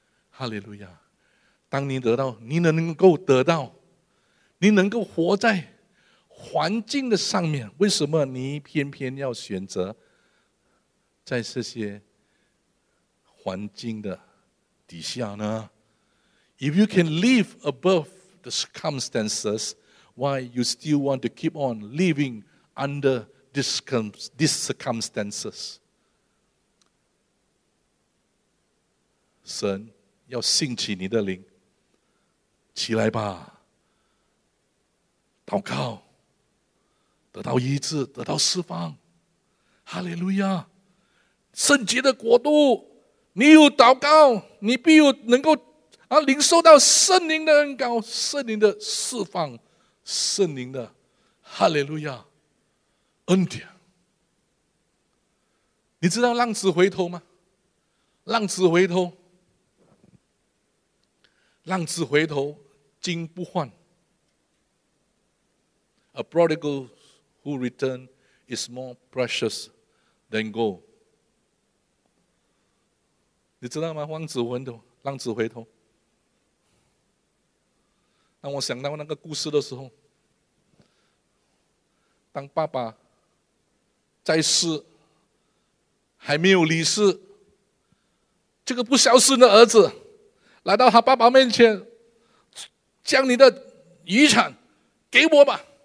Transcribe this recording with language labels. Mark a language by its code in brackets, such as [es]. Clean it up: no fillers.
[zh] 哈利路亚，当你得到，你能够得到，你能够活在环境的上面，为什么你偏偏要选择在这些环境的底下呢？ [en] If you can live above the circumstances, why you still want to keep on living under these circumstances? [zh] 神要兴起你的灵，起来吧，祷告，得到医治，得到释放。哈利路亚，圣洁的国度，你有祷告，你必有能够、啊、领受到圣灵的恩膏，圣灵的释放，圣灵的哈利路亚恩典。你知道浪子回头吗？浪子回头，浪子回头金不换。 [en] A prodigal who returned is more precious than gold。 [zh] 你知道吗？浪子回头，当我想到那个故事的时候，当爸爸在世还没有离世，这个不孝顺的儿子来到他爸爸面前，将你的遗产给我吧。